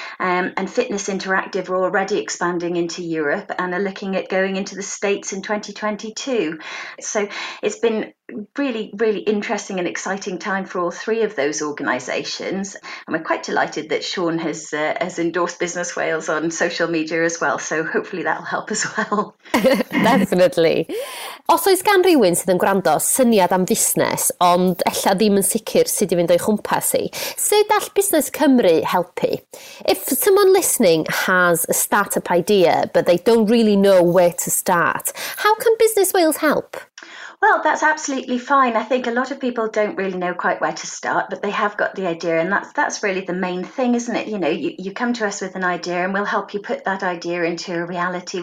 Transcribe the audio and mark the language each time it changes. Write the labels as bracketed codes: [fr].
[en] And Fitness Interactive are already expanding into Europe and are looking at going into the States in 2022. So it's been really, really interesting and exciting time for all three of those organisations. And we're quite delighted that Sean has endorsed Busnes Wales on social media as well. So hopefully that'll help as well. Definitely. [cy] Os oes gan rywun sydd yn gwrando syniad am fusnes, ond ella ddim yn sicr sydd i fynd o'i chwmpas i, sut all Busnes Cymru helpu? [en] If someone listening has a startup idea, but they don't really know where to start, how can Busnes Wales help? Well, that's absolutely fine. I think a lot of people don't really know quite where to start, but they have got the idea. And that's really the main thing, isn't it? You know, you come to us with an idea and we'll help you put that idea into a reality.